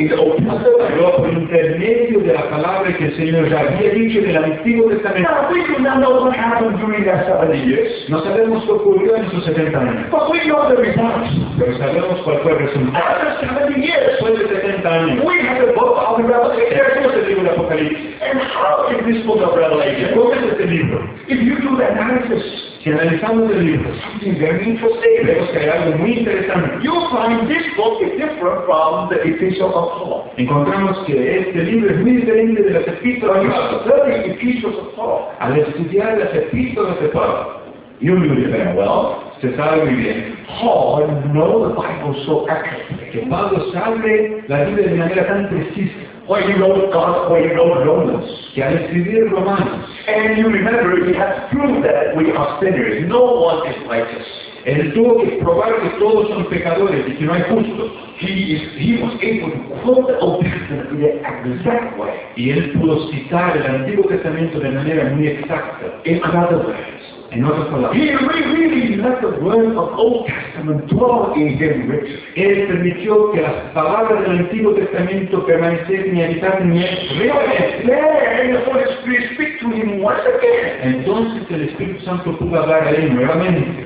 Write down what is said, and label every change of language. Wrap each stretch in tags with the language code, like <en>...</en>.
<es>Pero por intermedio de la palabra que el Señor ya había dicho en el Antiguo Testamento.</es> <en>Now, we do not know what happened during that 70 years.</en> <es>No sabemos qué ocurrió en esos 70 años.</es> <en>But we know the results.</en> <es>Pero sabemos cuál fue el resultado.</es> <en>After 70 years,</en> <es>después de 70 años,</es> <en>we have the book of Revelation.</en> <es>Tenemos el libro de Apocalipsis.</es> <en>And how is this book of Revelation?</en> <es>¿Cómo es este libro?</es> <en>If you do the analysis,</en> <es>si analizamos el libro,</es> <en>something very interesting.</en> <es>Vemos que hay algo muy interesante.</es> <en>You find this book is different from the Epistle of Paul.</en> <es>Encontramos que este libro es muy diferente de las epístolas.</es> <en>Studying the Epistles of Paul.</en> <es>Al estudiar las epístolas de Paul,</es> <en>you knew it very well.</en> <es>Se sabe muy bien.</es> <en>Paul knows the Bible so accurately.</en> <es>Que Pablo sabe la Biblia de manera tan precisa.</es> <en>When you know God, when you know Romans.</en> <es>Que al escribir Romanos.</es> <en>And you remember he has proved that we are sinners. No one is righteous.</en> <es>Él tuvo que probar que todos son pecadores y que no hay justos.</es> <en>He was able to quote the Old Testament in the exact way.</en> <es>Y él pudo citar el Antiguo Testamento de manera muy exacta.</es> <en>In another words.</en> <es>En otras palabras.</es> <en>He really let the word of Old Testament dwell in him richly.</en> <es>Él permitió que las palabras del Antiguo Testamento permanecieran y habitaran en él.</es> <en>Then the Holy Spirit speak to him once again.</en> <es>Entonces el Espíritu Santo pudo hablar a él nuevamente.</es>